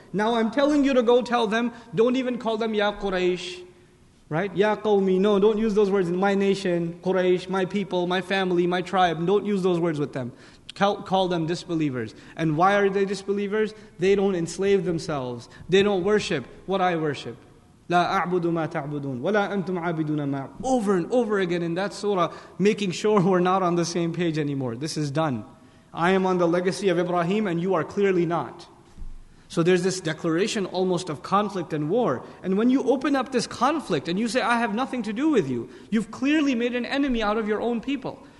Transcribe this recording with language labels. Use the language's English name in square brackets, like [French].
[English] Now I'm telling you to go tell them. Don't even call them [Arabic] يَا قُرَيْشِ. [English] Right? [Arabic] يَا قَوْمِ. [English] No, don't use those words. My nation, Quraysh, my people, my family, my tribe. Don't use those words with them. Call them disbelievers. And why are they disbelievers? They don't enslave themselves. They don't worship what I worship. [Arabic] لا أعبد ما تعبدون ولا أنتم عابدون ما أعبد. [English] Over and over again in that surah, making sure we're not on the same page anymore. This is done. I am on the legacy of Ibrahim and you are clearly not. So there's this declaration almost of conflict and war. And when you open up this conflict and you say, I have nothing to do with you, you've clearly made an enemy out of your own people.